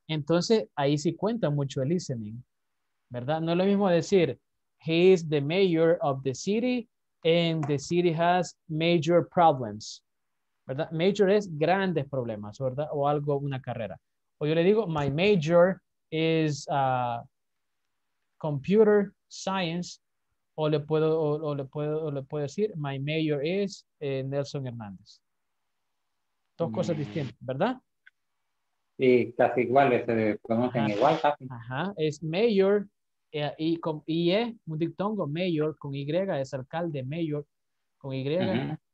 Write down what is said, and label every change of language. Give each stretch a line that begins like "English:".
Spanish: Entonces, ahí sí cuenta mucho el listening, ¿verdad? No es lo mismo decir,
English: he is the mayor of the city, and the city has major problems,
Spanish: ¿verdad? Major es grandes problemas, ¿verdad? O algo, una carrera. O yo le digo,
English: my major is computer science.
Spanish: O le puedo decir,
English: my major is
Spanish: Nelson Hernández. Dos cosas distintas, ¿verdad? Sí, casi iguales, se conocen igual. Casi. Ajá, es mayor, y un diptongo, mayor con Y, es alcalde, mayor con Y, uh-huh.